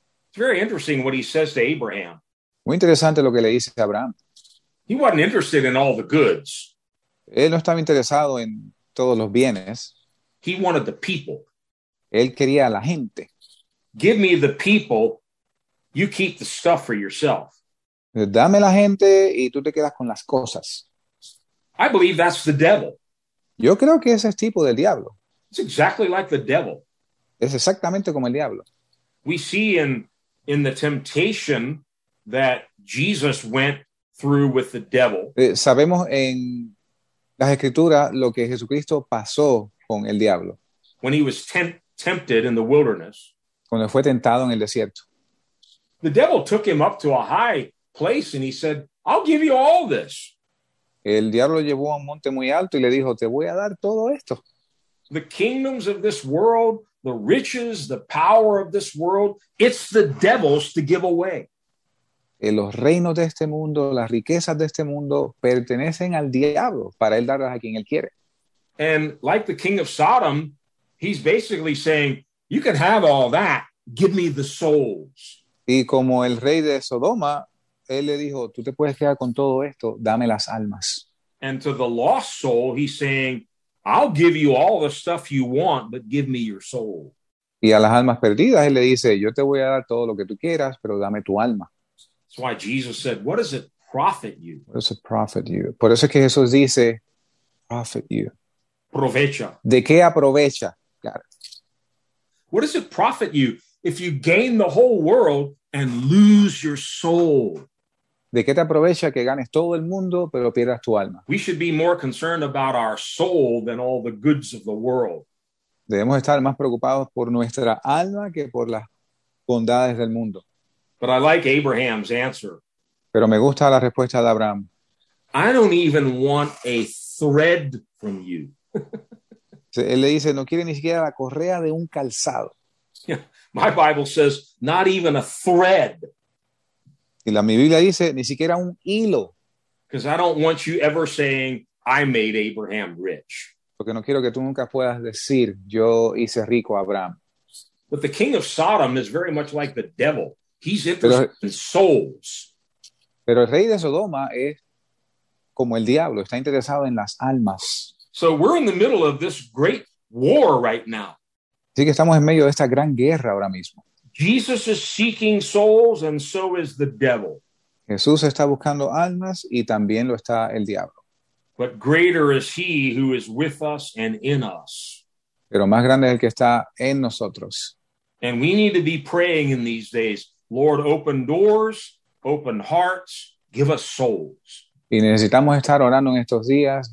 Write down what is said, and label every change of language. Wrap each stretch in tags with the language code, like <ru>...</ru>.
<en>it's very interesting what he says to Abraham.</en> <es>Muy interesante lo que le dice a Abraham.</es> <en>He wasn't interested in all the goods.</en> <es>Él no estaba interesado en todos los bienes.</es> <en>He wanted the people.</en> <es>Él quería a la gente.</es> <en>give me the people, you keep the stuff for yourself.</en> <es>Dame la gente y tú te quedas con las cosas.</es> <en>I believe that's the devil.</en> <es>Yo creo que ese es tipo del diablo.</es> <en>It's exactly like the devil.</en> <es>Es exactamente como el diablo.</es> <en>We see in the temptation that Jesus went through with the devil.</en> <es>Sabemos en las escrituras lo que Jesucristo pasó con el diablo.</es> <en>When he was tempted in the wilderness.</en> <es>Cuando fue tentado en el desierto.</es> <en>The devil took him up to a high place and he said, I'll give you all this.</en> <es>El diablo llevó a un monte muy alto y le dijo, te voy a dar todo esto.</es> <en>The kingdoms of this world, the riches, the power of this world, it's the devil's to give away.</en> <es>En los reinos de este mundo, las riquezas de este mundo pertenecen al diablo para él darlas a quien él quiere.</es> <en>And like the king of Sodom, he's basically saying, you can have all that, give me the souls.</en> <es>Y como el rey de Sodoma, él le dijo, tú te puedes quedar con todo esto, dame las almas.</es> <en>And to the lost soul, he's saying, I'll give you all the stuff you want, but give me your soul.</en> <es>Y a las almas perdidas, él le dice, yo te voy a dar todo lo que tú quieras, pero dame tu alma.</es> <en>That's why Jesus said, what does it profit you? What does it profit you?</en> <es>Por eso es que Jesús dice,</es> <en>profit you.</en> <es>Aprovecha. ¿De qué aprovecha?</es> <en>Got it. What does it profit you if you gain the whole world and lose your soul?</en> <es>¿De qué te aprovecha que ganes todo el mundo pero pierdas tu alma?</es> <en>We should be more concerned about our soul than all the goods of the world.</en> <es>Debemos estar más preocupados por nuestra alma que por las bondades del mundo.</es> <en>But I like Abraham's answer.</en> <es>Pero me gusta la respuesta de Abraham.</es> <en>I don't even want a thread from you.</en> <es>Él le dice, no quiere ni siquiera la correa de un calzado.</es> <en>My Bible says, not even a thread.</en> <es>Y la, mi Biblia dice, ni siquiera un hilo.</es> <en>Because I don't want you ever saying, I made Abraham rich.</en> <es>Porque no quiero que tú nunca puedas decir, yo hice rico a Abraham.</es> <en>But the king of Sodom is very much like the devil. He's interested in souls.</en> <es>Pero el rey de Sodoma es como el diablo. Está interesado en las almas.</es> <en>So we're in the middle of this great war right now.</en> <es>Así que estamos en medio de esta gran guerra ahora mismo.</es> <en>Jesus is seeking souls and so is the devil.</en> <es>Jesús está buscando almas y también lo está el diablo.</es> <en>But greater is he who is with us and in us.</en> <es>Pero más grande es el que está en nosotros.</es> <en>And we need to be praying in these days. Lord, open doors, open hearts, give us souls.</en> <es>Y necesitamos estar orando en estos días.</es>